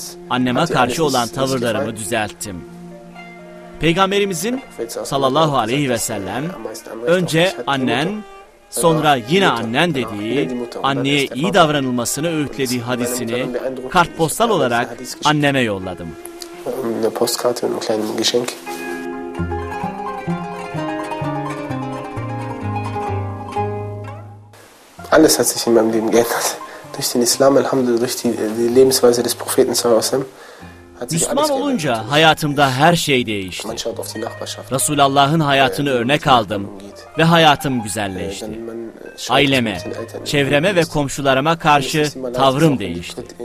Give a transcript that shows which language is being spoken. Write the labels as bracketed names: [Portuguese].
[Turkish] Anneme karşı olan tavırlarımı düzelttim. Peygamberimizin sallallahu aleyhi ve sellem önce annen sonra yine annen dediği, anneye iyi davranılmasını öğütlediği hadisini kartpostal olarak anneme yolladım. [German] Eine Postkarte und ein kleines Geschenk. alles hat sich in meinem Leben geändert. Durch den Islam, Alhamdulillah, durch die Lebensweise des Propheten sallallahu aleyhi ve sellem. [Turkish] Müslüman olunca hayatımda her şey değişti. Resulullah'ın hayatını örnek aldım ve hayatım güzelleşti. Aileme, çevreme ve komşularıma karşı tavrım değişti.